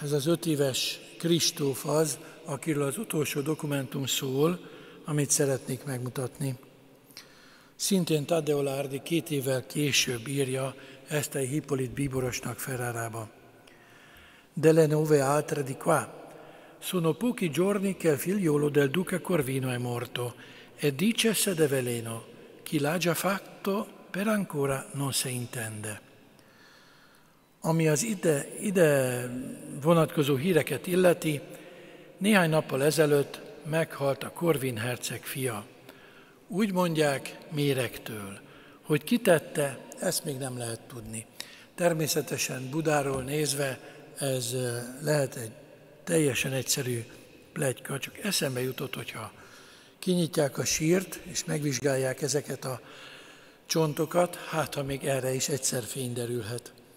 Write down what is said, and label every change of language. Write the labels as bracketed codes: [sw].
[hu] Ez az 5 éves Kristóf az, akiről az utolsó dokumentum szól, amit szeretnék megmutatni. Szintén Taddeo Lardi 2 évvel később írja Esztei Hippolit bíborosnak Ferrarába. [it] Delle nove altre di qua. Sono pochi giorni che il figliolo del duca Corvino è morto e dice se de veleno, chi l'ha già fatto per ancora non se intende. [hu] Ami az ide vonatkozó híreket illeti, néhány nappal ezelőtt meghalt a Corvin herceg fia. Úgy mondják, méregtől. Hogy ki tette, ezt még nem lehet tudni. Természetesen Budáról nézve ez lehet egy teljesen egyszerű pletyka, csak eszembe jutott, hogyha kinyitják a sírt, és megvizsgálják ezeket a csontokat, hát ha még erre is egyszer fény derülhet.